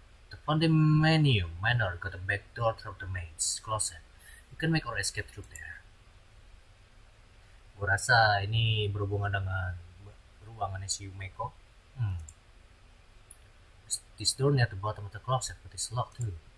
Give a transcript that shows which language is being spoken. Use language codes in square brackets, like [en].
[en] The Pandemonium Manor got a back door through the maid's closet. You can make our escape through there. [id] Gua rasa ini berhubungan dengan ruangannya si Yumeko. [en] This door near the bottom of the closet, but it's locked too.